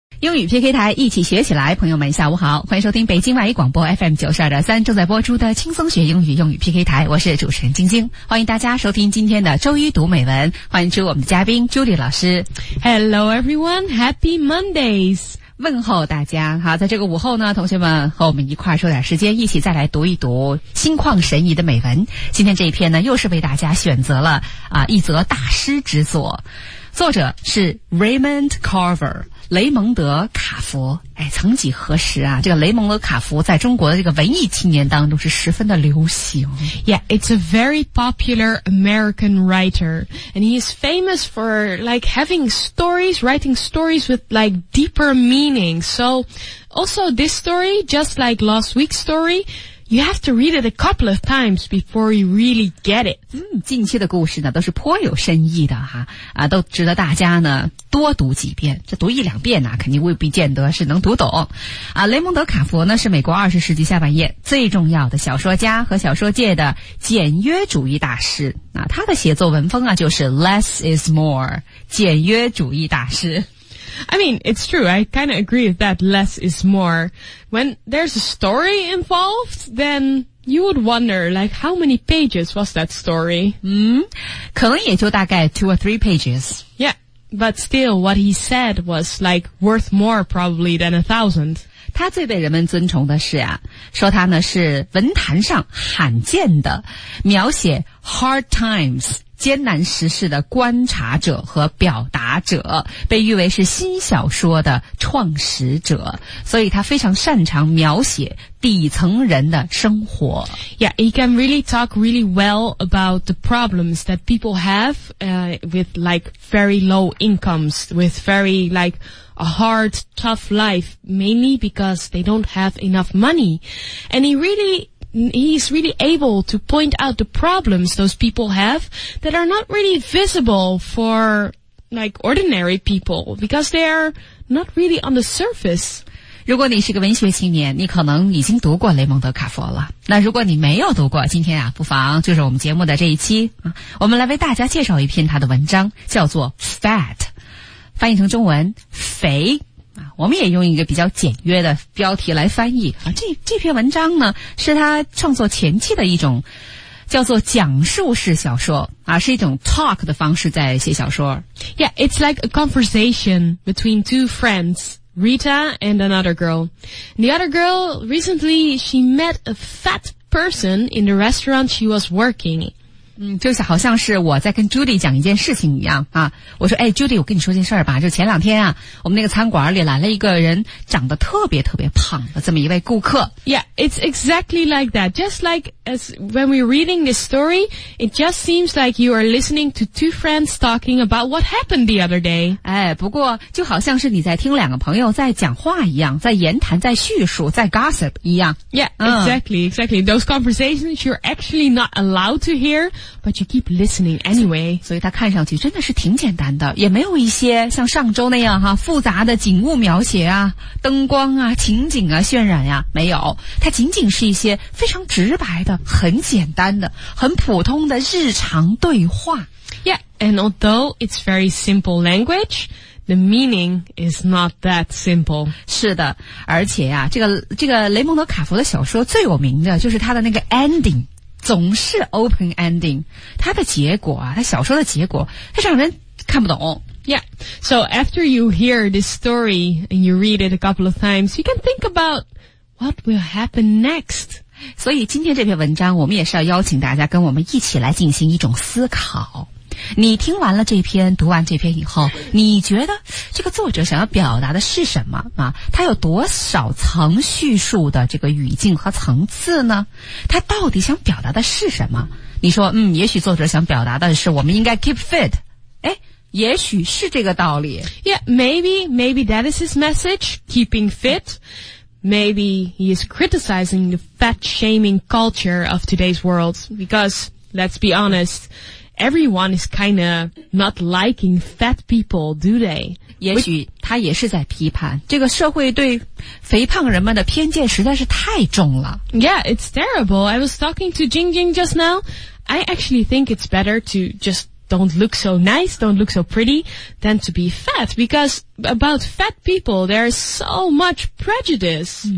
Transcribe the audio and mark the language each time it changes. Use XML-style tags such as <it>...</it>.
<zh>英语 PK 台一起学起来，朋友们下午好，欢迎收听北京外语广播 FM92.3 正在播出的轻松学英语英语 PK 台，我是主持人晶晶，欢迎大家收听今天的周一读美文，欢迎出我们的嘉宾 Julie 老师。</zh> <en>Hello everyone, happy Mondays!</en> <zh>问候大家，好，在这个午后呢，同学们和我们一块儿抽点时间，一起再来读一读心旷神怡的美文。今天这一篇呢，又是为大家选择了一则大师之作，作者是 Raymond Carver。雷蒙德·卡佛，曾几何时啊，这个雷蒙德·卡佛在中国的这个文艺青年当中是十分的流行。</zh> <en>Yeah, it's a very popular American writer, and he is famous for like having stories, writing stories with like deeper meaning. So, also this story, just like last week's story,You have to read it a couple of times before you really get it.</en> <zh>近期的故事呢都是颇有深意的哈，都值得大家呢多读几遍。这读一两遍呢肯定未必见得是能读懂。雷蒙德·卡佛呢是美国20世纪下半叶最重要的小说家和小说界的简约主义大师。他的写作文风啊就是</zh> <en>less is more,</en> <zh>简约主义大师。</zh> <en>I mean, it's true. I kind of agree with that less is more. When there's a story involved, then you would wonder, like, how many pages was that story?</en> <zh>可能也就大概</zh> <en>2 or 3 pages. Yeah, but still, what he said was, like, worth more probably than 1,000.</en> <zh>他最被人们尊崇的是啊，说他呢是文坛上罕见的描写</zh> <en>hard times.</en> <zh>艰难时事的观察者和表达者，被誉为是新小说的创始者，所以他非常擅长描写底层人的生活。</zh> <en>Yeah, he can really talk really well about the problems that people have, with like very low incomes, with very like a hard, tough life, mainly because they don't have enough money. And he's really able to point out the problems those people have that are not really visible for like ordinary people because they're not really on the surface.</en> <zh>如果你是个文学青年，你可能已经读过雷蒙德·卡佛了。那如果你没有读过，今天啊，不妨就是我们节目的这一期，我们来为大家介绍一篇他的文章，叫做 Fat， 翻译成中文肥。我们也用一个比较简约的标题来翻译。这篇文章呢是他创作前期的一种叫做讲述式小说啊，是一种 talk 的方式在写小说。</zh> <en>Yeah, it's like a conversation between two friends, Rita and another girl. And the other girl, recently she met a fat person in the restaurant she was working in.</en> <zh>就是好像是我在跟 Judy 讲一件事情一样啊，我说哎 ,Judy, 我跟你说件事儿吧，就前两天啊我们那个餐馆里来了一个人长得特别特别胖的这么一位顾客。</zh> <en>Yeah, it's exactly like that. Just like as when we're reading this story, it just seems like you are listening to two friends talking about what happened the other day.</en> <zh>不过就好像是你在听两个朋友在讲话一样，在言谈，在叙述，在 gossip 一样。</zh> <en>Yeah, exactly. Those conversations you're actually not allowed to hear. But you keep listening anyway.</en> <zh>所以他看上去真的是挺简单的，也没有一些像上周那样复杂的景物描写啊，灯光啊，情景啊，渲染啊，没有，它仅仅是一些非常直白的，很简单的，很普通的日常对话。</zh> <en>Yeah, and although it's very simple language, the meaning is not that simple.</en> <zh>是的，而且啊，这个雷蒙德·卡佛的小说最有名的就是他的那个 ending，总是</zh> <en>open ending，</en> <zh>它的结果啊，它小说的结果，它让人看不懂。</zh> <en>Yeah, so after you hear this story and you read it a couple of times, you can think about what will happen next.</en> <zh>所以今天这篇文章，我们也是要邀请大家跟我们一起来进行一种思考。你听完了这篇，读完这篇以后，你觉得这个作者想要表达的是什么啊？他有多少层叙述的这个语境和层次呢？他到底想表达的是什么？你说，也许作者想表达的是我们应该</zh> <en>keep fit。</en> <zh>也许是这个道理。</zh> <en>Yeah, maybe that is his message, keeping fit. Maybe he is criticizing the fat-shaming culture of today's world. Because, let's be honest,Everyone is kind of not liking fat people, do they?</en> <zh>也许他也是在批判，这个社会对肥胖人们的偏见实在是太重了。</zh> <en>Yeah, it's terrible. I was talking to Jingjing just now. I actually think it's better to just don't look so nice, don't look so pretty, than to be fat. Because about fat people, there's so much prejudice.</en>